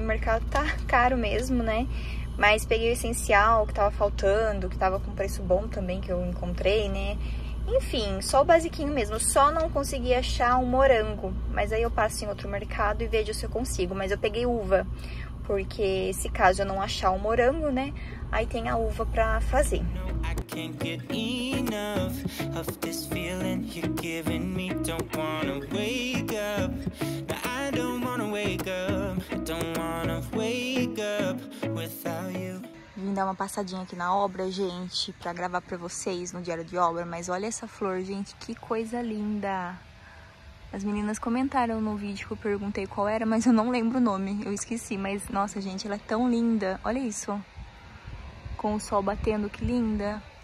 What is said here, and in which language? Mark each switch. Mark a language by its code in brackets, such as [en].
[pt] O mercado tá caro mesmo, né? Mas peguei o essencial que tava faltando, que tava com preço bom também, que eu encontrei, né? Enfim, só o basiquinho mesmo. Só não consegui achar um morango. Mas aí eu passo em outro mercado e vejo se eu consigo. Mas eu peguei uva, porque se caso eu não achar o morango, né, aí tem a uva pra fazer. [en] Can't get enough of this feeling you're giving me. Don't wanna wake up. No, I don't wanna wake up. I don't wanna wake up without you. [pt] Vim dar uma passadinha aqui na obra, gente, pra gravar pra vocês no diário de obra. Mas olha essa flor, gente, que coisa linda. As meninas comentaram no vídeo que eu perguntei qual era, mas eu não lembro o nome, eu esqueci. Mas nossa, gente, ela é tão linda. Olha isso. Com o sol batendo, que linda.